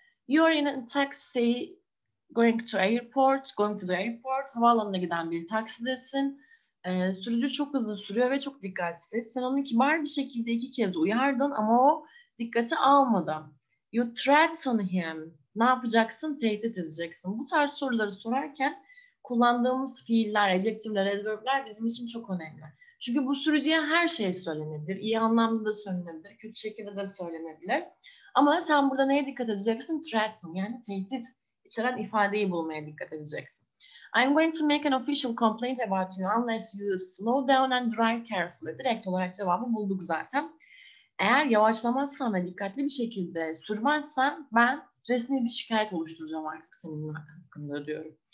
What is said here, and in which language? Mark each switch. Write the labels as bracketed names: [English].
[English] You are in a taxi going to the airport. [Turkish] Havaalanına giden bir taksidesin. Sürücü çok hızlı sürüyor ve çok dikkatli. Sen onu kibar bir şekilde iki kez uyardın ama o dikkati almadı. [English] You threaten him. [Turkish] Ne yapacaksın? Tehdit edeceksin. Bu tarz soruları sorarken kullandığımız fiiller, adjektifler, adverbler bizim için çok önemli. Çünkü bu sürücüye her şey söylenebilir. İyi anlamda da söylenebilir. Kötü şekilde de söylenebilir. Ama sen burada neye dikkat edeceksin? Threaten, yani tehdit içeren ifadeyi bulmaya dikkat edeceksin. [English] I'm going to make an official complaint about you unless you slow down and drive carefully. [Turkish] Direkt olarak cevabı bulduk zaten. Eğer yavaşlamazsan ve dikkatli bir şekilde sürmezsen ben resmi bir şikayet oluşturacağım artık senin hakkında diyorum.